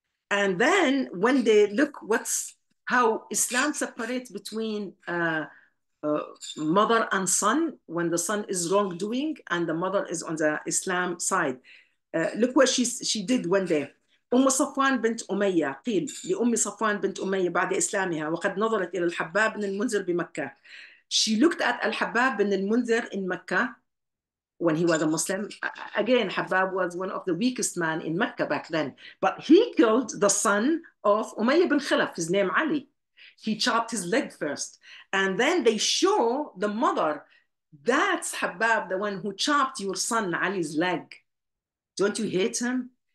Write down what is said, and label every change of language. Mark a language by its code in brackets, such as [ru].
[en] And then when they look how Islam separates between mother and son, when the son is wrongdoing and the mother is on the Islam side. Look what she did one day. [ar] أم صفوان بنت أمية قيل لأم صفوان بنت أمية بعد إسلامها وقد نظرت إلى الحباب بن المنذر بمكة. [en] She looked at Al-Habbab bin Al-Munzir in Mecca when he was a Muslim. Again, Habbab was one of the weakest men in Mecca back then. But he killed the son of Umayyah bin Khalaf, his name Ali. He chopped his leg first. And then they show the mother, that's Habbab, the one who chopped your son Ali's leg. Don't you hate him?